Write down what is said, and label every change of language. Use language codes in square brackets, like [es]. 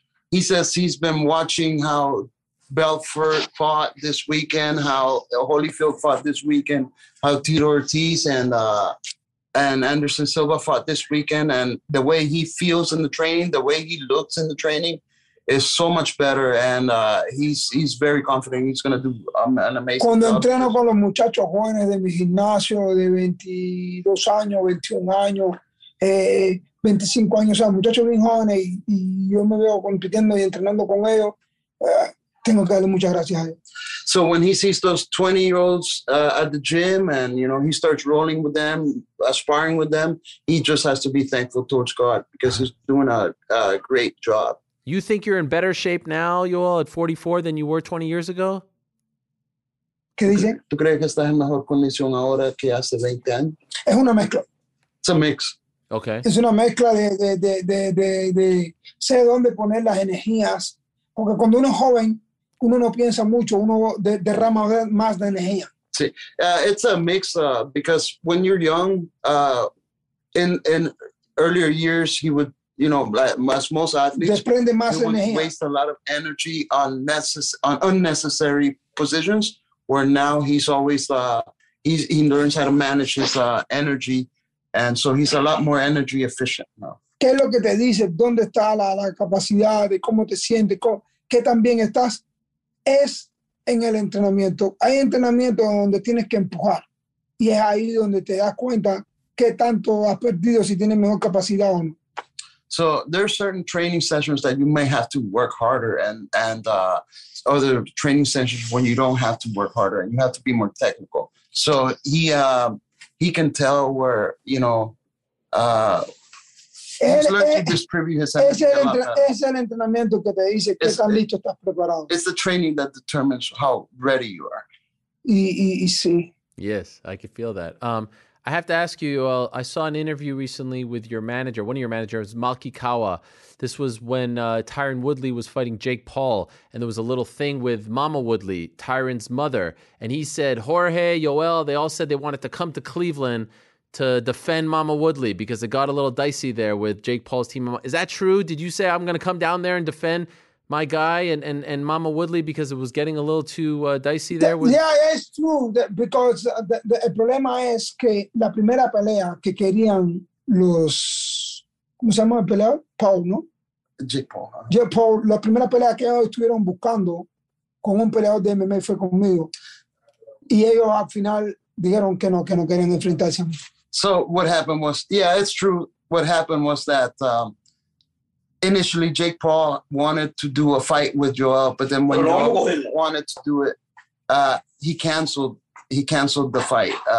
[en] He says he's been watching how Belfort fought this weekend, how Holyfield fought this weekend, how Tito Ortiz and Anderson Silva fought this weekend, and the way he feels in the training, the way he looks in the training, is so much better, and he's very confident. He's going to do an amazing job. [es] Cuando entreno con los muchachos jóvenes de mi gimnasio de 22 años, 21 años, 25 años, o sea, muchachos bien jóvenes, y yo me veo compitiendo y entrenando con ellos, tengo que darle muchas gracias a él. [en] So when he sees those 20-year-olds at the gym, and you know he starts rolling with them, aspiring with them, he just has to be thankful towards God because he's doing a great job. You think you're in better shape now, Yoel, at 44 than you were 20 years ago? [es] ¿Qué dice? ¿Tú crees que estás en mejor condición ahora que hace 20 años? Es una mezcla. [en] It's a mix. Okay. [es] Es una mezcla de sé dónde poner las energías, porque cuando uno es joven, uno no piensa mucho, uno derrama más de energía. Sí. [en] It's a mix because when you're young, in earlier years, he would, you know, as most athletes, [es] desprende más [en] would [es] energía. [en] Waste a lot of energy on unnecessary positions, where now he's always, he learns how to manage his energy, and so he's a lot more energy efficient now. [es] ¿Qué es lo que te dice? ¿Dónde está la capacidad de cómo te sientes? ¿Qué tan bien estás? Es en el entrenamiento. Hay entrenamiento donde tienes que empujar, y es ahí donde te das cuenta qué tanto has perdido, si tienes mejor capacidad o no. [en] So there are certain training sessions that you may have to work harder, and other training sessions when you don't have to work harder and you have to be more technical. So he can tell where, you know, he's learned to distribute his energy. [es] Es el entrenamiento que te dice qué tan listo estás preparado. [en] It's the training that determines how ready you are. [es] Y sí. [en] Yes, I can feel that. I have to ask you, I saw an interview recently with your manager, one of your managers, Malki Kawa. This was when Tyron Woodley was fighting Jake Paul, and there was a little thing with Mama Woodley, Tyron's mother. And he said, Jorge, Yoel, they all said they wanted to come to Cleveland to defend Mama Woodley because it got a little dicey there with Jake Paul's team. Is that true? Did you say, I'm going to come down there and defend my guy and Mama Woodley because it was getting a little too dicey there? Yeah, it's true. Because the [es] problema es que la primera pelea que querían los... ¿Cómo se llama el peleador? Paul, ¿no? [en] Jake Paul. Jake Paul. [es] La primera pelea que ellos estuvieron buscando con un peleador de MMA fue conmigo. Y ellos al final dijeron que no querían enfrentarse a mí. [en] So what happened was... Yeah, it's true. What happened was that... initially, Jake Paul wanted to do a fight with Yoel, but then when Yoel wanted to do it, he canceled the fight.